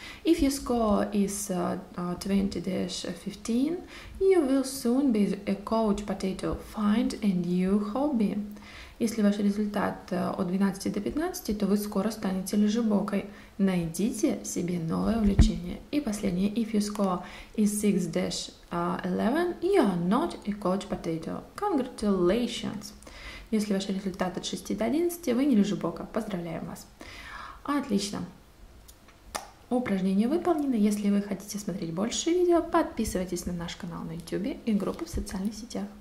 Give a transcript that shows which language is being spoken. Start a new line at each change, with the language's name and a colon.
English: If your score is 20-15, you will soon be a couch potato. Find a new hobby.
Russian: Если ваш результат от 12 до 15, то вы скоро станете лежебокой. Найдите себе новое увлечение. И последнее.
English: If your score is 6-11, you are not a couch potato. Congratulations!
Russian: Если ваш результат от 6 до 11, вы не лежебока. Поздравляем вас! Отлично! Упражнение выполнено. Если вы хотите смотреть больше видео, подписывайтесь на наш канал на YouTube и группу в социальных сетях.